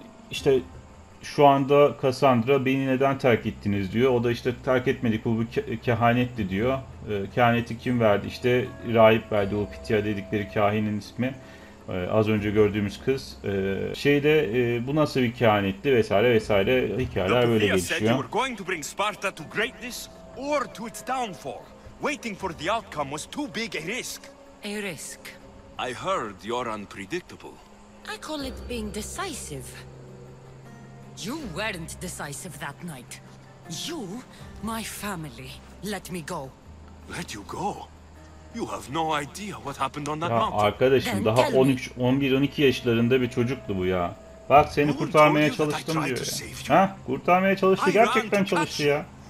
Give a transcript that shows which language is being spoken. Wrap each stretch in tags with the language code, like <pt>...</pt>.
<tr>İşte şu anda Cassandra beni neden terk ettiniz diyor. O da işte terk etmedik, bu bir kehanetti diyor. Kehaneti kim verdi? İşte rahip verdi, o Pythia dedikleri kahinin ismi. Az önce gördüğümüz kız şeyde bu nasıl bir kehanetti vesaire vesaire, hikayeler böyle gelişiyor.</tr> <en>Going to bring Sparta to greatness or to its downfall. Waiting for the outcome was too big a risk. A risk. I heard you're unpredictable. I call it being decisive. You weren't decisive that night. You, my family, let me go. Let you go. You have no idea what happened on that mountain.</en> <tr>Ya arkadaşım, daha 13, 11, 12 yaşlarında bir çocuktu bu ya. Bak seni kurtarmaya çalıştım diyor. Ha, kurtarmaya çalıştı, gerçekten çalıştı ya.</tr>